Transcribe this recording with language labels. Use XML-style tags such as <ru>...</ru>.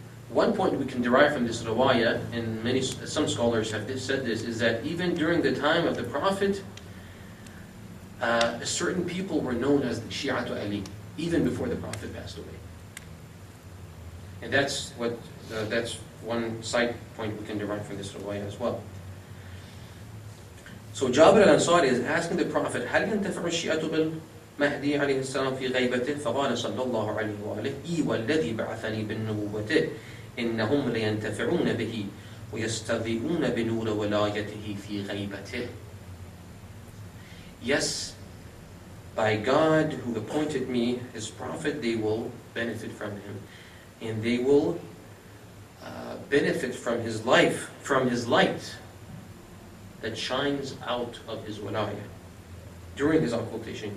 <en>One point we can derive from this riwayah, and many some scholars have said this, is that even during the time of the Prophet, certain people were known as the Shi'atu Ali, even before the Prophet passed away. And that's what that's one side point we can derive from this riwayah as well. So Jabir al-Ansari is asking the Prophet,</en> <ar>هل ينتفع الشيعة بالمهدي عليه السلام في غيبته؟ فقال صلى الله عليه وآله إي والذي بعثني بالنبوة إنهم لينتفعون به ويستضيئون بنور ولايته في غيبته.</ar> <en>Yes, by God who appointed me, his Prophet, they will benefit from him. And they will benefit from his life, from his light that shines out of his wilayah during his occultation.</en>